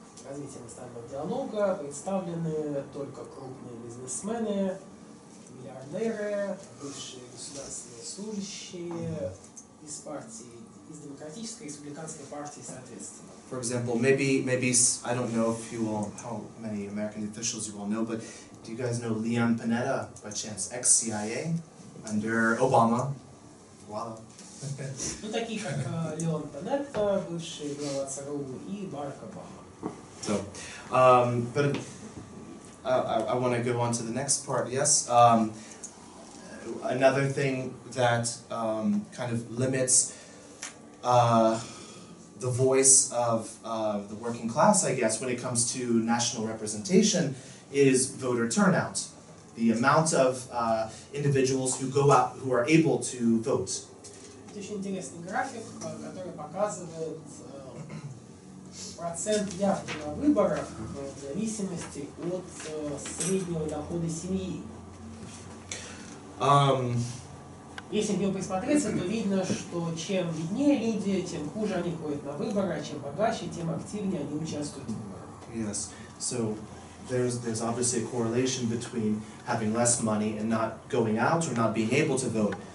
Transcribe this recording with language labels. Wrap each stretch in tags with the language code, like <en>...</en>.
<ru>Развитием остального диалога представлены только крупные бизнесмены, миллиардеры, бывшие государственные служащие из партии, из демократической и республиканской партии, соответственно.</ru> <en>For example, maybe I don't know if you all how many American officials you all know, but do you guys know Leon Panetta by chance, ex-CIA under Obama? Wow.</en> <ru>Ну такие как Леон Панетта, бывший глава ЦРУ и Барак Обама.</ru> <en>So, but I want to go on to the next part, yes? Another thing that kind of limits the voice of the working class, I guess, when it comes to national representation is voter turnout, the amount of individuals who go out, who are able to vote.</en> <ru>Это очень интересный график, который показывает процент явки на выборах в зависимости от среднего дохода семьи. Если к нему присмотреться, то видно, что чем беднее люди, тем хуже они ходят на выборы, а чем богаче, тем активнее они участвуют в выборах.</ru> <en>Yes, so there's obviously a correlation between having less money and not going out or not being able to vote.</en>